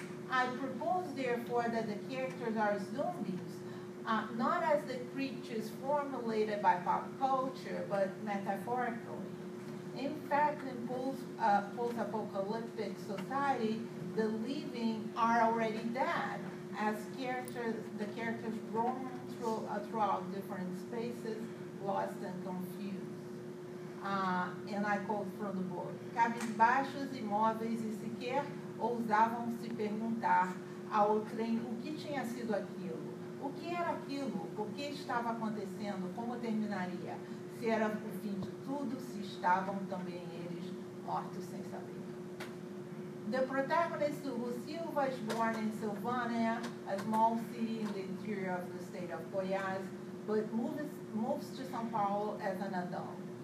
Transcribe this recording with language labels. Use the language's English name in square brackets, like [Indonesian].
[English] I propose, therefore, that the characters are zombies, not as the creatures formulated by pop culture, but metaphorically. In fact, in post-apocalyptic society, the living are already dead, as the characters roam throughout different spaces, lost and confused. And I quote from the book, [Portuguese] cabisbaixos, imóveis e sequer ousavam se perguntar ao trem o que tinha sido aquilo. O que era aquilo? O que estava acontecendo? Como terminaria? Se era o fim de tudo, se estavam também eles mortos sem saber. [English] The protagonist, Hugo Silva, is born in Silvania, a small city in the interior of the state of Goiás, but moves to São Paulo as an adult.